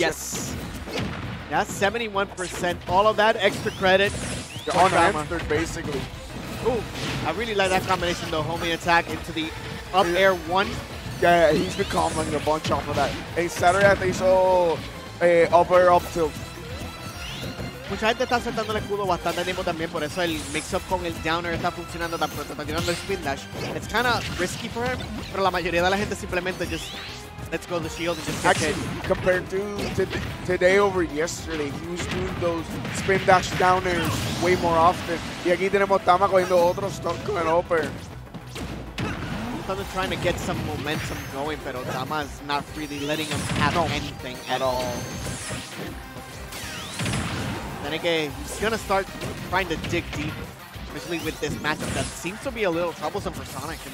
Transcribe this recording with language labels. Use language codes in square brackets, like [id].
[en] Yes. Yeah, 71%. All of that extra credit. Unanswered, basically. Ooh, I really like that combination, though. Homing attack into the up air one. Yeah, he's been comboing a bunch off of that. Hey, Saturday, I think so. Up air up tilt. [es] Mucha gente está acertando el escudo bastante tiempo también, por eso el mix-up con el downer está funcionando tan pronto. Está tirando el spin dash. [en] It's kind of risky for him, [es] pero la mayoría de la gente simplemente just... [en] Let's go to the shield and just kick it. Compared to today over yesterday, he was doing those spin dash downers way more often. [es] Y aquí tenemos Tama cogiendo otro stunt con el upper. [en] Tama trying to get some momentum going, pero Tama is not really letting him have anything at all. Then again, he's going to start trying to dig deep. Especially with this matchup that seems to be a little troublesome for Sonic.